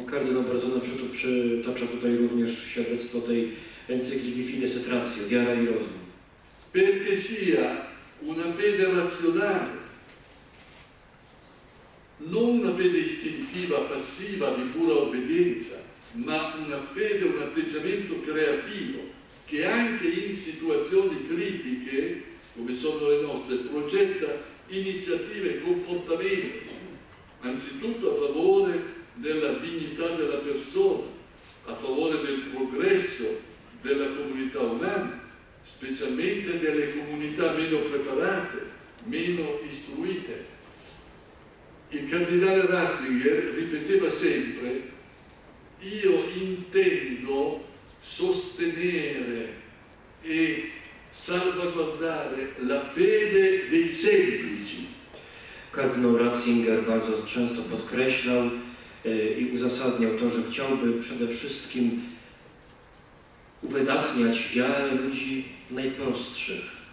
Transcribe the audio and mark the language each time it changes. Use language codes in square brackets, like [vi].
[pl] Kardynał Bertone Przutup przytacza tutaj również świadectwo tej encykliki Fides et Ratio, wiara i rozum. [it] Perché sia una fede razionale, non una fede istintiva, passiva, di pura obbedienza, ma una fede, un atteggiamento creativo, che anche in situazioni critiche, come sono le nostre, progetta iniziative e comportamenti, anzitutto a favore della dignità della persona, a favore del progresso della comunità umana, specialmente delle comunità meno preparate, meno istruite. Il cardinale Ratzinger ripeteva sempre: io intendo sostenere e salvaguardare la fede dei semplici. [pl] Kardynał Ratzinger bardzo często podkreślał i uzasadniał to, że chciałby przede wszystkim uwydatniać wiarę ludzi najprostszych.